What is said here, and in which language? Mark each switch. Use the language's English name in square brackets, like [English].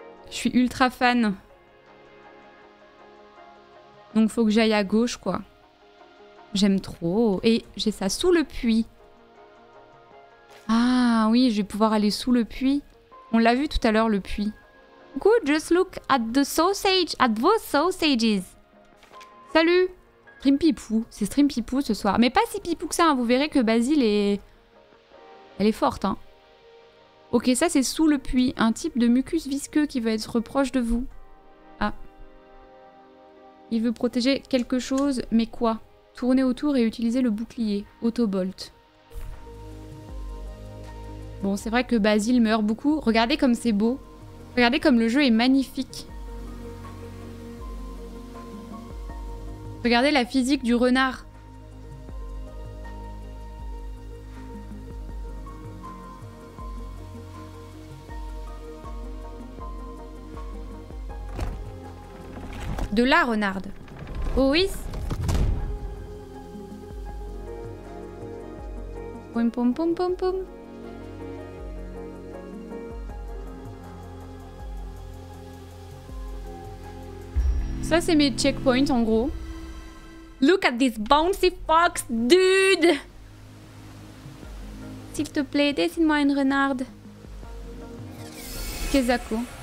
[French] Je suis ultra fan. Donc faut que j'aille à gauche quoi. J'aime trop. Et j'ai ça sous le puits. Ah oui, je vais pouvoir aller sous le puits. On l'a vu tout à l'heure, le puits. [English] Good, just look at the sausage, at those sausages. [French] Salut, Stream Pipou. C'est Stream Pipou ce soir. Mais pas si pipou que ça, hein. Vous verrez que Basile est... Elle est forte, hein. Ok, ça c'est sous le puits. Un type de mucus visqueux qui veut être proche de vous. Ah. Il veut protéger quelque chose, mais quoi? Tourner autour et utiliser le bouclier. Autobolt. Bon, c'est vrai que Basile meurt beaucoup. Regardez comme c'est beau. Regardez comme le jeu est magnifique. Regardez la physique du renard. De la renarde. Oh oui. Poum poum poum poum poum. Ça c'est mes checkpoints en gros. [English] Look at this bouncy fox, dude. [French] S'il te plaît, dessine-moi une renarde. Kezako.